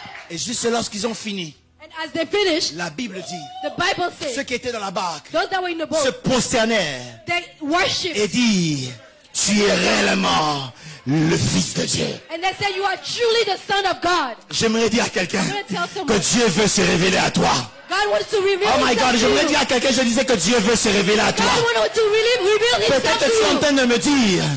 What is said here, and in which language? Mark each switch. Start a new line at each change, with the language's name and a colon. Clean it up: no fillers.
French: Et juste lorsqu'ils ont fini, la Bible dit, ceux qui étaient dans la barque se prosternèrent et disent, tu es réellement le Fils de Dieu.
English: And they said, you are truly the Son of God.
French: J'aimerais dire à quelqu'un que Dieu veut se révéler à toi.
English: God wants to reveal oh my God,
French: j'aimerais dire à quelqu'un, je disais que Dieu veut se révéler à
English: God
French: toi.
English: Wanted to reveal
French: peut-être que tu es en train de me dire,